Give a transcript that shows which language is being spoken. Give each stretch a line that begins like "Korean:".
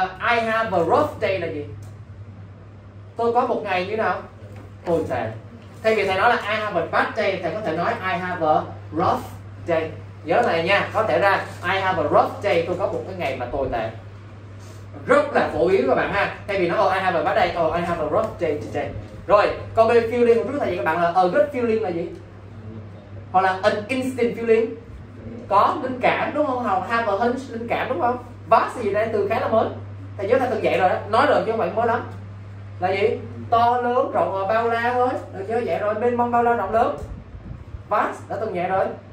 English: I have a rough day
Vietnamese: là gì? Tôi có một ngày như thế nào? Tồi tệ. Thay vì thầy nói là
English: I have a bad day,
Vietnamese: thầy có thể nói
English: I have a rough day.
Vietnamese: Nhớ này nha, có thể ra
English: I have a rough day,
Vietnamese: tôi có một cái ngày mà tồi tệ. Rất là phổ biến các bạn ha. Thay vì nó
English: oh, I have a bad day, oh, I have a rough day today.
Vietnamese: Rồi, còn bây giờ feeling trước thầy các bạn là
English: a good feeling
Vietnamese: là gì? Hoặc là
English: an instant feeling,
Vietnamese: có linh cảm đúng không? Hoặc
English: have a hunch,
Vietnamese: linh cảm đúng không? Vast gì đây, từ khá là mới. Thầy nhớ thầy từng dạy rồi đó, nói rồi chứ không phải mới lắm. Là gì? To lớn, rộng bao la thôi. Được chưa? Dạy rồi, bên mong bao la rộng lớn. Vast, đã từng dạy rồi.